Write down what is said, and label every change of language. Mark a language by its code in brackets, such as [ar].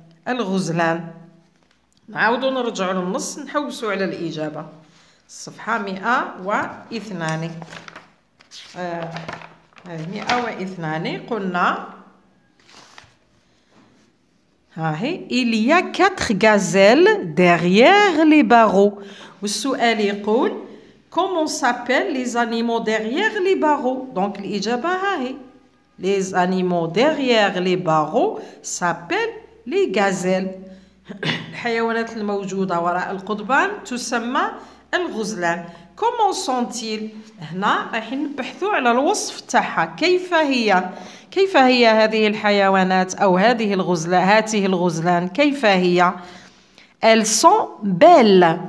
[ar] الغزلان. نعاودوا نرجعوا للنص نحوسوا على الإجابة. صفحة 102 102 قلنا ها هي [fr] il y a 4 gazelles derrière les barreaux. [ar] والسؤال يقول [fr] comment s'appellent les animaux derrière les barreaux. Donc [ar] الإجابة ها هي [fr] les animaux derrière les barreaux s'appellent les gazelles. [ar] الحيوانات الموجودة وراء القضبان تسمى الغزلان. [fr] كومون سونتيل. [ar] هنا راح نبحثوا على الوصف تاعها. كيف هي هذه الحيوانات او هذه الغزلان كيف هي؟ [fr] ال سون بيل.